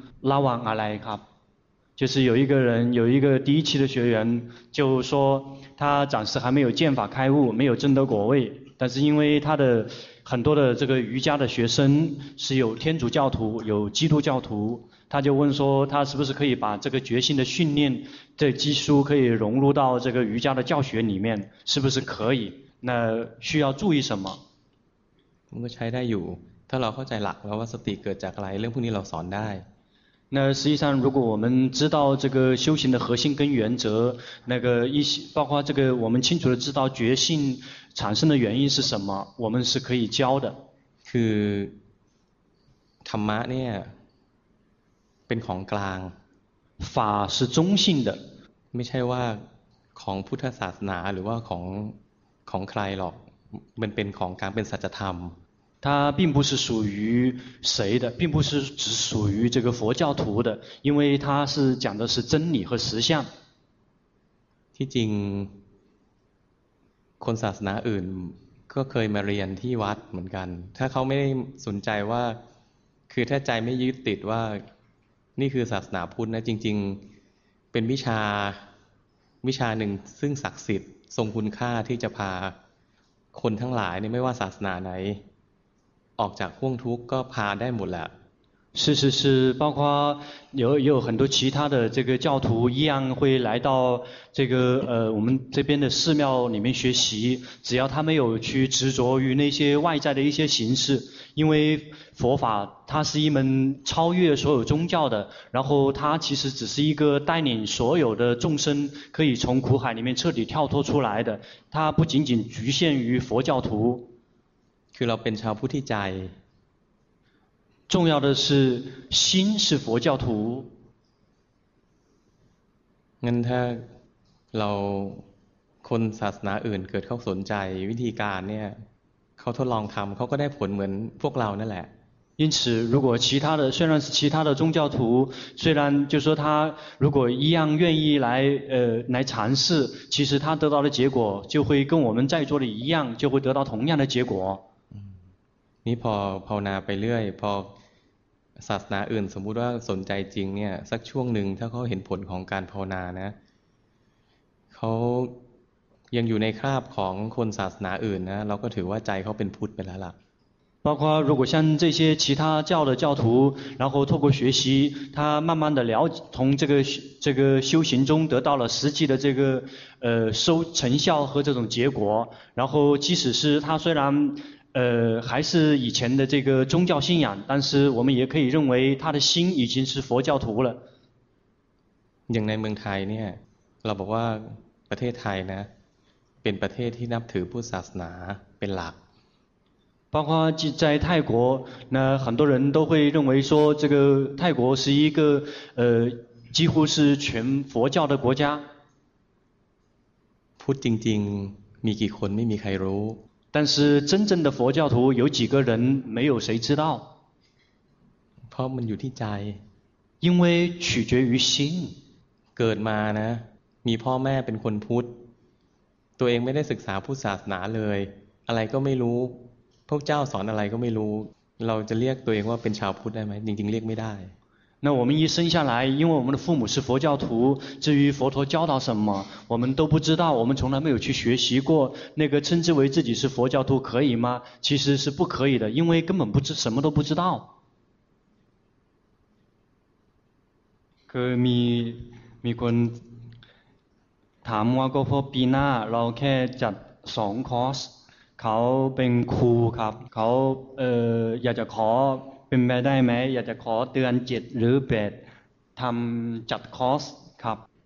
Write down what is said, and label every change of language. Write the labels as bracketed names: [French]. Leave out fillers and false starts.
[Thai] ระวังอะไรครับ [Chinese] 就是有一个人有一个第一期的学员就说他暂时还没有剑法开悟没有证得果位但是因为他的很多的这个瑜伽的学生是有天主教徒有基督教徒他就问说他是不是可以把这个决心的训练这基础可以融入到这个瑜伽的教学里面是不是可以那需要注意什么我们才在有他老婆在哪老婆是第一个在来人不你老三代那实际上如果我们知道这个修行的核心跟原则那个一包括这个我们清楚的知道决心产生的原因是什么我们是可以教的 [Thai] คือธรรมะเนี่ยเป็นของกลาง [Chinese] 法是中性的 [Thai] ไม่ใช่ว่าของพุทธศาสนาหรือว่าของใครหรอกมันเป็นของกลางเป็นสัจธรรม [Chinese] 它并不是属于谁的并不是只属于这个佛教徒的因为它是讲的是真理和实相 [Thai] ที่จริงคนศาสนาอื่นก็เคยมาเรียนที่วัดเหมือนกันถ้าเขาไม่ได้สนใจว่าคือถ้าใจไม่ยึดติดว่านี่คือศาสนาพุทธนะจริงๆเป็นวิชาหนึ่งซึ่งศักดิ์สิทธิ์ทรงคุณค่าที่จะพาคนทั้งหลายเนี่ยไม่ว่าศาสนาไหนออกจากห้วงทุกข์ก็พาได้หมดแล้ว [Chinese] 是是是包括有很多其他的这个教徒一样会来到这个我们这边的寺庙里面学习只要他没有去执着于那些外在的一些形式因为佛法它是一门超越所有宗教的然后它其实只是一个带领所有的众生可以从苦海里面彻底跳脱出来的它不仅仅局限于佛教徒 [Thai] คือเราเป็นชาวพุทธิใจ [Chinese] 重要的是心是佛教徒 [Thai] งั้นถ้าเราคนศาสนาอื่นเกิดเขาสนใจวิธีการเนี่ยเขาทดลองทำเขาก็ได้ผลเหมือนพวกเรานั่นแหละ [Chinese] 因此如果其他的虽然是其他的宗教徒虽然就说他如果一样愿意来尝试其实他得到的结果就会跟我们在座的一样就会得到同样的结果 [Thai] นี่พอภาวนาไปเรื่อยพอศาสนาอื่นสมมุติว่าสนใจจริงเนี่ยสักช่วงหนึ่งถ้าเขาเห็นผลของการภาวนานะเขายังอยู่ในคราบของคนศาสนาอื่นนะเราก็ถือว่าใจเขาเป็นพุทธไปแล้วล่ะ [Chinese] 包括如果像这些其他教的教徒然后透过学习他慢慢的了从这个修行中得到了实际的这个收成效和这种结果然后即使是他虽然还是以前的这个宗教信仰，但是我们也可以认为他的心已经是佛教徒了。 [Thai] อย่างในเมืองไทยเนี่ยเราบอกว่าประเทศไทยนะเป็นประเทศที่นับถือพุทธศาสนาเป็นหลัก [Chinese] 包括在泰国，那很多人都会认为说，这个泰国是一个几乎是全佛教的国家。 [Thai] พูดจริงๆมีกี่คนไม่มีใครรู้ [Chinese] 但是真正的佛教徒有几个人没有谁知道 [Thai] เพราะมันอยู่ที่ใจ [Chinese] 因为取决于心 [Thai] เกิดมานะมีพ่อแม่เป็นคนพุทธตัวเองไม่ได้ศึกษาพุทธศาสนาเลยอะไรก็ไม่รู้พวกเจ้าสอนอะไรก็ไม่รู้เราจะเรียกตัวเองว่าเป็นชาวพุทธได้ไหมจริงๆเรียกไม่ได้ [Chinese] 那我们一生下来，因为我们的父母是佛教徒，至于佛陀教导什么，我们都不知道，我们从来没有去学习过。那个称之为自己是佛教徒可以吗？其实是不可以的，因为根本不知什么都不知道。 [Thai] คือมีคนถามว่าก็เพราะปีหน้าเราแค่จัดสองคอร์สเขาเป็นครูครับเขาอยากจะขอเป็นไปได้ไหมอยากจะขอเตือนเจ็ดหรือแปดทำจัดคอร์สครับ